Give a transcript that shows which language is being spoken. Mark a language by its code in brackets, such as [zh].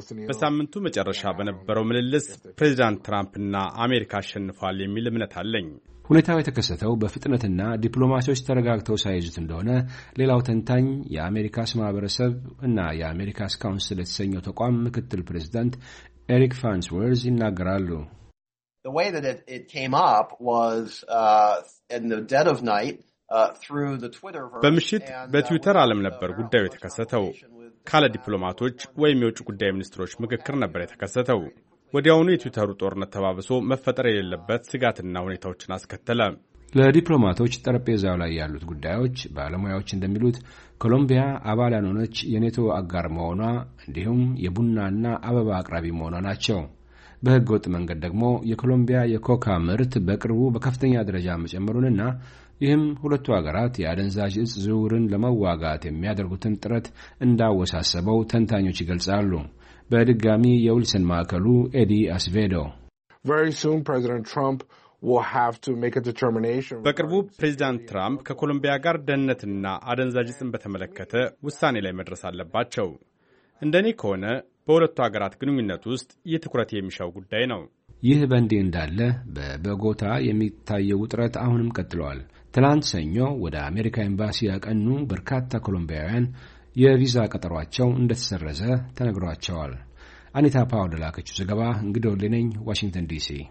[am] በሳምንቱ መጨረሻ በነበረው ምልልስ ፕሬዚዳንት ትራምፕና አሜሪካ አሸንፏል የሚል እምነት አለኝ። ሁኔታው የተከሰተው በፍጥነትና ዲፕሎማሲዎች ተረጋግተው ሳይዙት እንደሆነ ሌላው ተንታኝ የአሜሪካስ ማህበረሰብ እና የአሜሪካስ ካውንስል የተሰኘው ተቋም ምክትል ፕሬዚዳንት ኤሪክ ፋንስወርዝ ይናገራሉ። [en] The way that it came up was in the dead of night through the Twitter verse. [am] በምሽት በትዊተር ዓለም ነበር ጉዳዩ የተከሰተው። ካለ ዲፕሎማቶች ወይም የውጭ ጉዳይ ሚኒስትሮች ምክክር ነበር የተከሰተው። ወዲያውኑ የትዊተሩ ጦርነት ተባብሶ መፈጠር የሌለበት ስጋትና ሁኔታዎችን አስከተለ። ለዲፕሎማቶች ጠረጴዛው ላይ ያሉት ጉዳዮች ባለሙያዎች እንደሚሉት ኮሎምቢያ አባል ያልሆነች የኔቶ አጋር መሆኗ እንዲሁም የቡናና አበባ አቅራቢ መሆኗ ናቸው። በሕገ ወጥ መንገድ ደግሞ የኮሎምቢያ የኮካ ምርት በቅርቡ በከፍተኛ ደረጃ መጨመሩንና ይህም ሁለቱ አገራት የአደንዛዥ እጽ ዝውውርን ለመዋጋት የሚያደርጉትን ጥረት እንዳወሳሰበው ተንታኞች ይገልጻሉ። በድጋሚ የዊልሰን ማዕከሉ ኤዲ አስቬዶ [en] Very soon President Trump will have to make a determination. [am] በቅርቡ ፕሬዚዳንት ትራምፕ ከኮሎምቢያ ጋር ደህንነትና አደንዛዥ እጽን በተመለከተ ውሳኔ ላይ መድረስ አለባቸው። እንደኔ ከሆነ በሁለቱ ሀገራት ግንኙነት ውስጥ ይህ ትኩረት የሚሻው ጉዳይ ነው። ይህ በእንዲህ እንዳለ በቦጎታ የሚታየው ውጥረት አሁንም ቀጥሏል። ትላንት ሰኞ ወደ አሜሪካ ኤምባሲ ያቀኑ በርካታ ኮሎምቢያውያን የቪዛ ቀጠሯቸው እንደተሰረዘ ተነግሯቸዋል። አኒታ ፓውል ላከችው ዘገባ እንግዲህ ወደ ነኝ ዋሽንግተን ዲሲ።